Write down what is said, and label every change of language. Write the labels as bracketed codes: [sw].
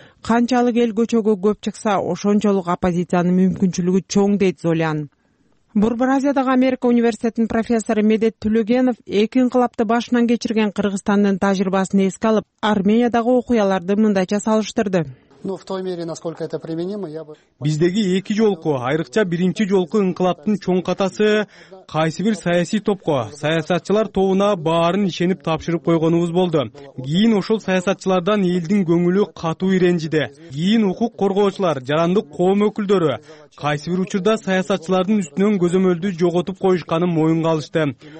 [ky] Канчалык эл көчөгө көп чыкса, ошончолук оппозициянын мүмкүнчүлүгү чоң, дейт Золян. Бурбразиядагы Америка университетинин профессору Медет Түлөгенов эки инкылапты башынан кечирген Кыргызстандын тажрыйбасын эске алып, Армениядагы окуяларды мындайча салыштырды. [ru] Ну, в той мере, насколько это применимо, я бы. [ky] Биздеги эки жолку, айрыкча биринчи жолку инкылаптын чоң катасы кайсы бир саясий топко, саясатчылар тобуна баарын ишенип тапшырып койгонубуз болду. Кийин ошол саясатчылардан элдин көңүлү катуу иренжиде. Кийин укук коргоочулар, жарандык коом өкүлдөрү кайсы бир учурда саясатчылардын үстүнөн көзөмөлдү жоготуп коюшканын моюнга алышты.